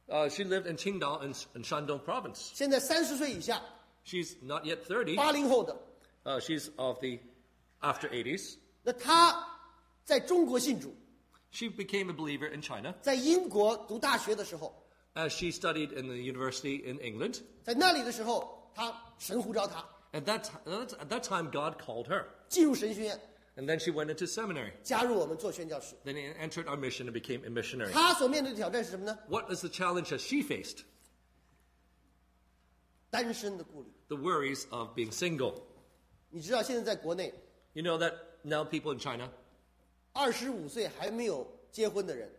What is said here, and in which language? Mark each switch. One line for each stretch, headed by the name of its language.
English: She lived in Qingdao in Shandong province.
Chinese: 现在三十岁以下。
English: She's not yet 30.
Chinese: 八零后的。
English: She's of the after 80s.
Chinese: 那她在中国信主。
English: She became a believer in China.
Chinese: 在英国读大学的时候。
English: As she studied in the university in England.
Chinese: 在那里的时候，她神呼召她。
English: At that time, God called her.
Chinese: 进入神学院
English: And then she went into seminary.
Chinese: 加入我们做宣教士
English: Then entered our mission and became a missionary.
Chinese: 她所面对的挑战是什么呢
English: ？What is the challenge that she faced?
Chinese: 单身的顾虑
English: The worries of being single.
Chinese: 你知道现在在国内
English: ？You know that now people in China.
Chinese: 二十五岁还没有结婚的人